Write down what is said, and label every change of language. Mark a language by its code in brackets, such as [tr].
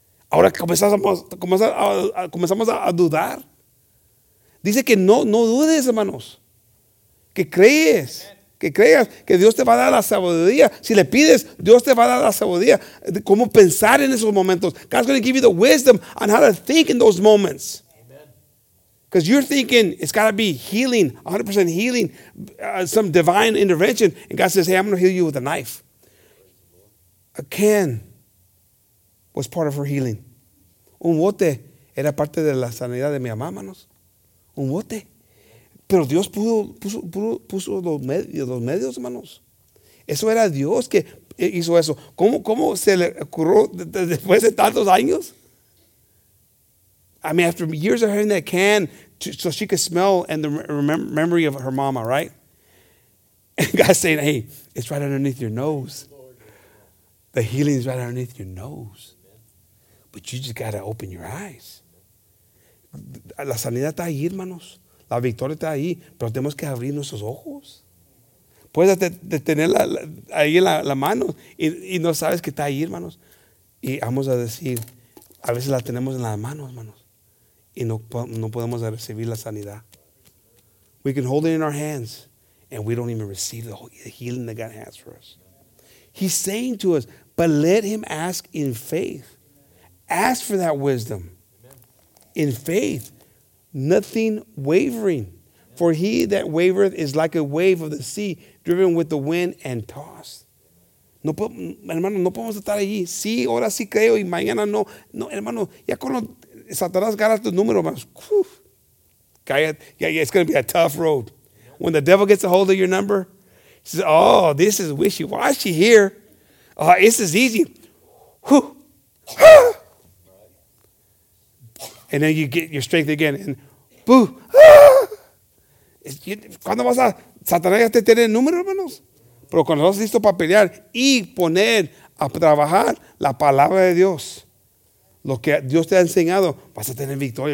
[es] Ahora comenzamos a dudar. Dice que no dudes, hermanos. Que creas que Dios te va a dar la sabiduría. Si le pides, Dios te va a dar la sabiduría. Cómo pensar en esos momentos. [en] God's going to give you the wisdom on how to think in those moments. Because you're thinking it's got to be healing, 100% healing, some divine intervention. And God says, hey, I'm going to heal you with a knife. A can was part of her healing. [es] Un bote era parte de la sanidad de mi mamá, hermanos. Un bote. Pero Dios puso los medios, hermanos. Eso era Dios que hizo eso. ¿Cómo se le ocurrió después de tantos años? [en] I mean, after years of having that can, so she could smell and the memory of her mama, right? And God's saying, hey, it's right underneath your nose. The healing is right underneath your nose. But you just got to open your eyes. [es] La sanidad está ahí, hermanos. La victoria está ahí. Pero tenemos que abrir nuestros ojos. Puedes tenerla ahí en la mano y no sabes que está ahí, hermanos. Y vamos a decir, a veces la tenemos en las manos, hermanos. Y no podemos recibir la sanidad. [en] We can hold it in our hands and we don't even receive the healing that God has for us. He's saying to us, but let him ask in faith. Ask for that wisdom. In faith. Nothing wavering. For he that wavereth is like a wave of the sea, driven with the wind and tossed. [es] No, hermano, no podemos estar allí. Sí, ahora sí creo y mañana no. No, hermano, ya con Satanás gana tu número, hermanos. [en] Yeah, it's going to be a tough road. When the devil gets a hold of your number, he says, oh, this is wishy. Why is she here? Oh, this is easy. And then you get your strength again. And boo. [es] ¿Cuándo vas a Satanás ya te tiene el número, hermanos? Pero cuando estás listo para pelear y poner a trabajar la palabra de Dios, lo que Dios te ha enseñado, vas a tener victoria.